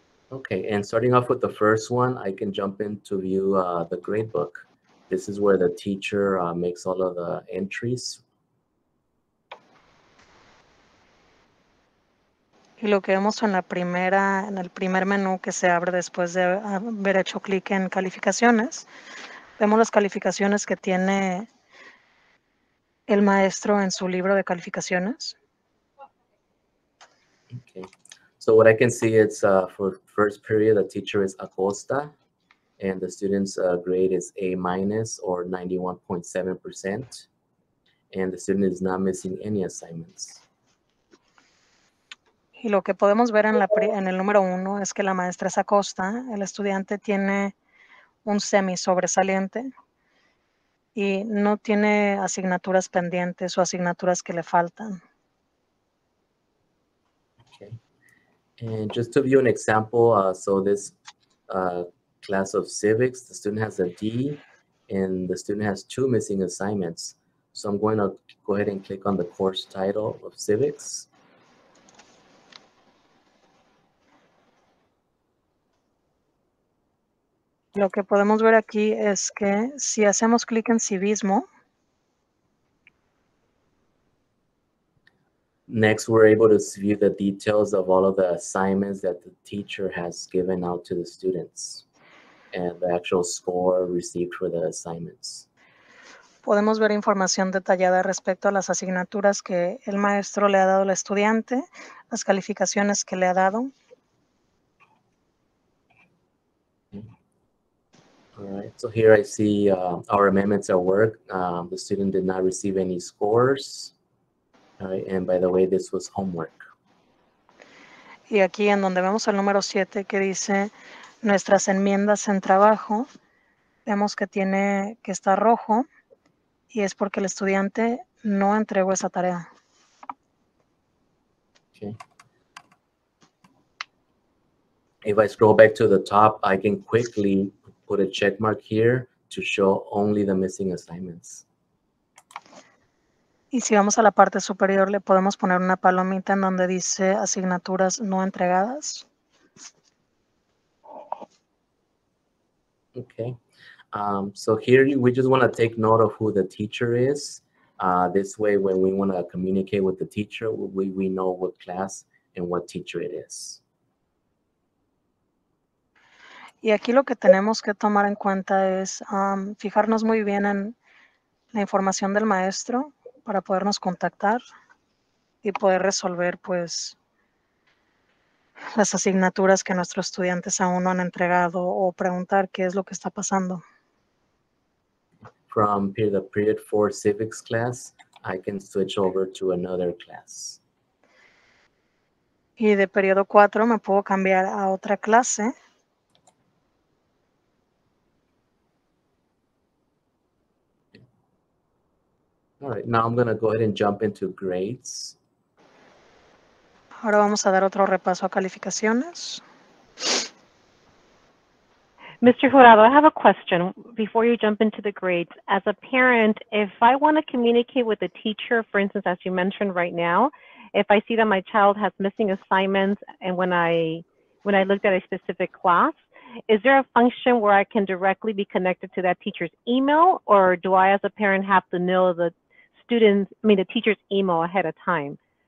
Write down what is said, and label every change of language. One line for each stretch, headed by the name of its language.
English: Okay, and starting off with the first one, I can jump in to view the grade book. This is where the teacher makes all of the entries.
Spanish: Y lo que vemos en la primera, en el primer menú que se abre después de haber hecho clic en calificaciones, vemos las calificaciones que tiene el maestro en su libro de calificaciones.
English: Okay. So what I can see is for first period, the teacher is Acosta, and the student's grade is A minus or 91.7%, and the student is not missing any assignments.
Spanish: Y lo que podemos ver en el número uno es que la maestra es Acosta. El estudiante tiene un semi sobresaliente y no tiene asignaturas pendientes o asignaturas que le faltan.
English: Okay. And just to view an example, so this class of civics, the student has a D and the student has two missing assignments. So I'm going to go ahead and click on the course title of civics.
Spanish: Lo que podemos ver aquí es que si hacemos clic en civismo.
English: Next, we're able to view the details of all of the assignments that the teacher has given out to the students and the actual score received for the assignments.
Spanish: Podemos ver información detallada respecto a las asignaturas que el maestro le ha dado al estudiante, las calificaciones que le ha dado.
English: All right, so here I see our amendments at work. The student did not receive any scores. All right, and by the way, this was homework.
Spanish: Y aquí en donde vemos el número 7 que dice nuestras enmiendas en trabajo, vemos que tiene que estar rojo y es porque el estudiante no entregó esa tarea.
English: Okay. If I scroll back to the top, I can quickly put a check mark here to show only the missing assignments.
Spanish: Y si vamos a la parte superior, le podemos poner una palomita en donde dice asignaturas no entregadas.
English: Okay. So here we just want to take note of who the teacher is. This way, when we want to communicate with the teacher, we know what class and what teacher it is.
Spanish: Y aquí lo que tenemos que tomar en cuenta es fijarnos muy bien en la información del maestro para podernos contactar y poder resolver, pues, las asignaturas que nuestros estudiantes aún no han entregado o preguntar qué es lo que está pasando.
English: From the period 4 civics class, I can switch over to another class.
Spanish: Y de periodo 4 me puedo cambiar a otra clase.
English: All right, now I'm going to go ahead and jump into grades.
Spanish: Ahora vamos a dar otro repaso a calificaciones.
English: Mr. Jurado, I have a question before you jump into the grades. As a parent, if I want to communicate with a teacher, for instance, as you mentioned right now, if I see that my child has missing assignments and when I looked at a specific class, is there a function where I can directly be connected to that teacher's email, or do I as a parent have to know the teacher's email ahead of time?